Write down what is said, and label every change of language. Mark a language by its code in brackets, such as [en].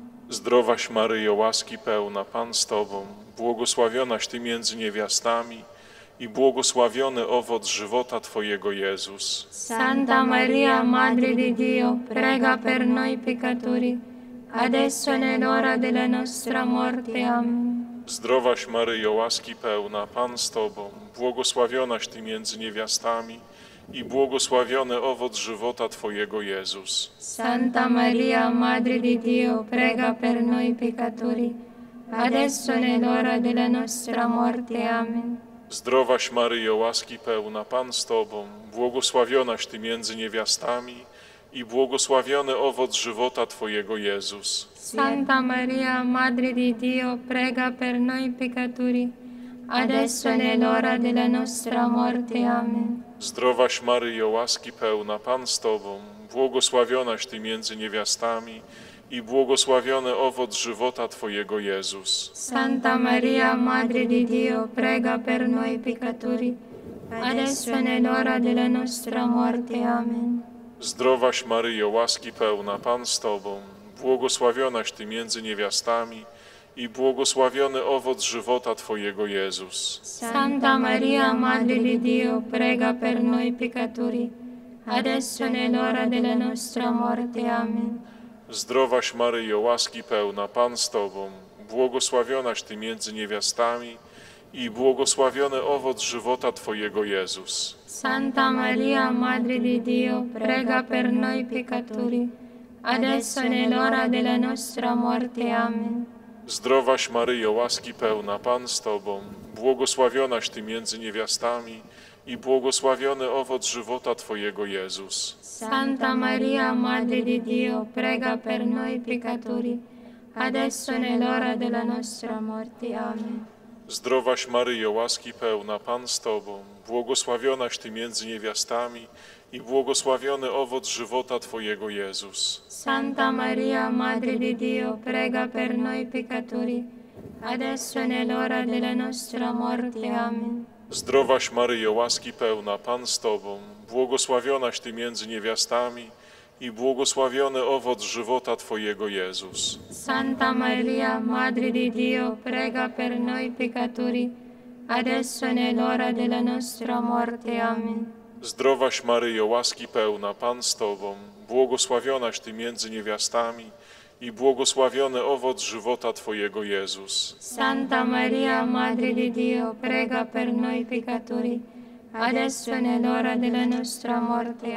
[pl] Zdrowaś Maryjo, łaski pełna, Pan z Tobą, błogosławionaś Ty między niewiastami i błogosławiony owoc żywota Twojego, Jezus. [it] Santa Maria, Madre di Dio, prega per noi peccatori, adesso e l'ora della nostra morte. Amen. [pl] Zdrowaś Maryjo, łaski pełna, Pan z Tobą, błogosławionaś Ty między niewiastami i błogosławiony owoc żywota Twojego, Jezus. [it] Santa Maria, Madre di Dio, prega per noi peccatori, adesso e l'ora della nostra morte. Amen. [pl] Zdrowaś Maryjo, łaski pełna, Pan z Tobą, błogosławionaś Ty między niewiastami i błogosławiony owoc żywota Twojego, Jezus. [it] Santa Maria, Madre di Dio, prega per noi peccatori, adesso e l'ora della nostra morte. Amen. [pl] Zdrowaś Maryjo, łaski pełna, Pan z Tobą, błogosławionaś Ty między niewiastami i błogosławiony owoc żywota Twojego, Jezus. [it] Santa Maria, Madre di Dio, prega per noi peccatori, adesso e l'ora della nostra morte. Amen. [pl] Zdrowaś Maryjo, łaski pełna, Pan z Tobą, błogosławionaś Ty między niewiastami i błogosławiony owoc żywota Twojego, Jezus. [it] Santa Maria, Madre di Dio, prega per noi peccatori, adesso e l'ora della nostra morte. Amen. [pl] Zdrowaś Maryjo, łaski pełna, Pan z Tobą, błogosławionaś Ty między niewiastami i błogosławiony owoc żywota Twojego, Jezus. [it] Santa Maria, Madre di Dio, prega per noi peccatori, adesso e l'ora della nostra morte. Amen. [pl] Zdrowaś Maryjo, łaski pełna, Pan z Tobą, błogosławionaś Ty między niewiastami i błogosławiony owoc żywota Twojego, Jezus. [it] Santa Maria, Madre di Dio, prega per noi peccatori, adesso e l'ora della nostra morte. Amen. [pl] Zdrowaś Maryjo, łaski pełna, Pan z Tobą, błogosławionaś Ty między niewiastami i błogosławiony owoc żywota Twojego, Jezus. [it] Santa Maria, Madre di Dio, prega per noi peccatori, adesso e l'ora della nostra morte. Amen. [pl] Zdrowaś Maryjo, łaski pełna, Pan z Tobą, błogosławionaś Ty między niewiastami i błogosławiony owoc żywota Twojego, Jezus. [it] Santa Maria, Madre di Dio, prega per noi peccatori, adesso e l'ora della nostra morte. Amen. [pl] Zdrowaś Maryjo, łaski pełna, Pan z Tobą, błogosławionaś Ty między niewiastami i błogosławiony owoc żywota Twojego, Jezus. [it] Santa Maria, Madre di Dio, prega per noi peccatori, adesso e l'ora della nostra morte.